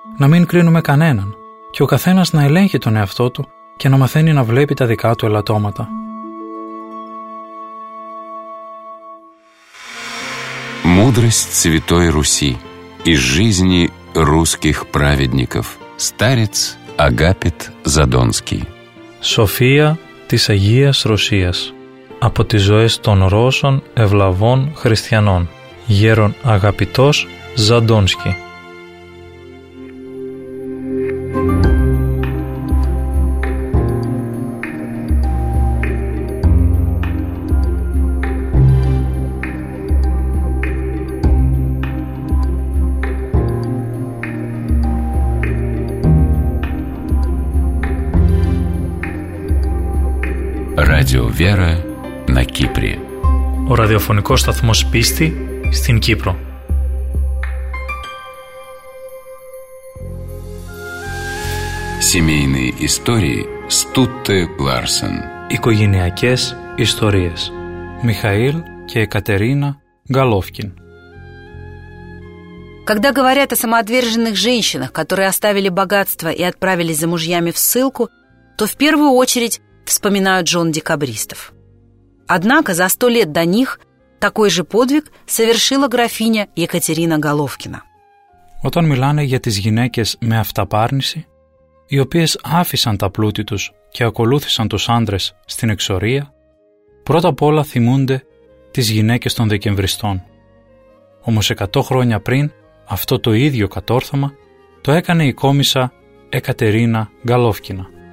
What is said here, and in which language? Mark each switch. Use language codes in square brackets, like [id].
[el] να μην κρίνουμε κανέναν και ο καθένας να ελέγχει τον εαυτό του και να μαθαίνει να βλέπει τα δικά του ελαττώματα. [ru] Мудрость Святой Руси из жизни русских праведников. Старец Агапит Задонский. [el] София της Αγίας Ρωσίας. Από τις ζωές των Ρώσων ευλαβών χριστιανών. Γέρον Αγαπητός Ζαντόνσκι. [ru] Ράδιο Βέρα, на Кипре. [el] Ο ραδιοφωνικός σταθμός πίστη στην Κύπρο. [ru] Семейные истории Стутте Ларсен. [el] Οικογενειακές ιστορίες. [ru] Михаил [el] και [ru] Екатерина Головкин. Когда говорят о самоотверженных женщинах, которые оставили богатство и отправились за мужьями в ссылку, то в первую очередь вспоминают жен декабристов. Однако за 100 лет до них такой же подвиг совершила графиня Екатерина Головкина. [el] Όταν μιλάνε για τις γυναίκες με αυταπάρνηση, οι οποίες άφησαν τα πλούτη τους και ακολούθησαν τους άντρες στην εξορία, πρώτα απ' όλα θυμούνται τις γυναίκες των Δεκεμβριστών. Όμως 100 χρόνια πριν, αυτό το ίδιο κατόρθωμα το έκανε η κόμισσα Εκατερίνα Γκαλόφκινα.